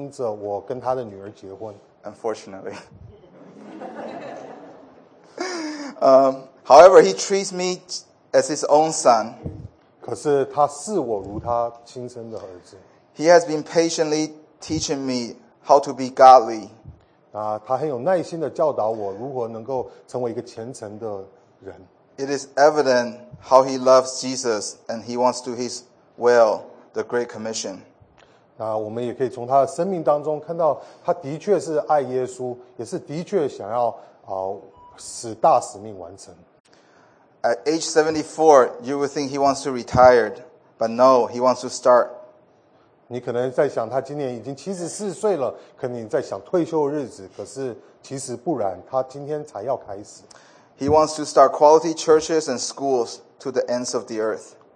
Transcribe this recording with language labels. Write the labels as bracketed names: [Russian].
[Chinese] 那我今天成为他的儿子是因着我跟他的女儿结婚。 [English] Unfortunately. However, he treats me as his own son. [Chinese] 可是他视我如他亲生的儿子。 [English] He has been patiently teaching me how to be godly. [Chinese] 他很有耐心地教导我如何能够成为一个虔诚的儿子。 [English] It is evident how he loves Jesus and he wants to do his will, the Great Commission. [Chinese] 我们也可以从他的生命当中看到他的确是爱耶稣，也是的确想要使大使命完成。 [English] At age 74, you would think he wants to retire, but no, he wants to start. [Chinese] 你可能在想他今年已经74岁了，可能在想退休日子，可是其实不然，他今天才要开始。 [English] He wants to start quality churches and schools to the ends of the earth.